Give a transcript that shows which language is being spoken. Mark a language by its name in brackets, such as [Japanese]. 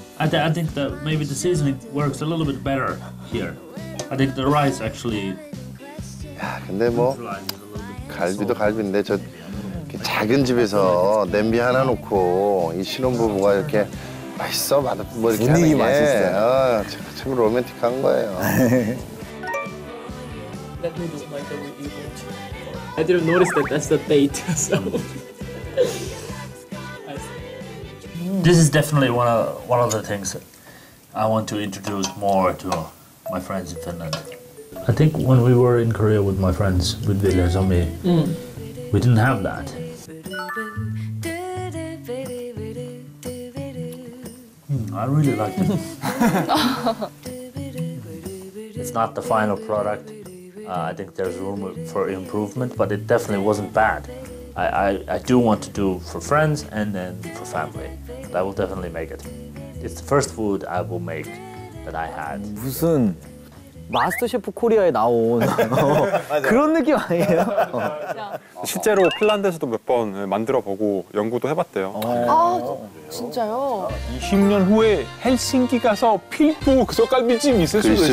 [English] I think that maybe the seasoning works a little bit better here. I think the rice actually [Korean] 야, 근데 뭐 갈비도 갈비인데 저 작은 집에서 냄비 하나 놓고 이 신혼부부가 이렇게 맛있어, 맛 뭐 이렇게 하는 게 맛있어요. 아, 참 로맨틱한 거예요. [English] Let me do my double eagle. I didn't notice that that's the date. So. This is definitely one of the things that I want to introduce more to my friends in Finland. I think when we were in Korea with my friends with Ville and Zombie, we didn't have that. I really like it. It's not the final product. I think there's room for improvement, but it definitely wasn't bad. I do want to do for friends and then for family. But I will definitely make it. It's the first food I will make that I had. [Korean] 무슨 마스터셰프 코리아에 나온 그런 느낌 아니에요? 실제로 핀란드에서도 몇 번 만들어보고 연구도 해봤대요. 아, 진짜요? 20년 후에 헬싱키 가서 필프 소갈비찜 있을 수도 있어요.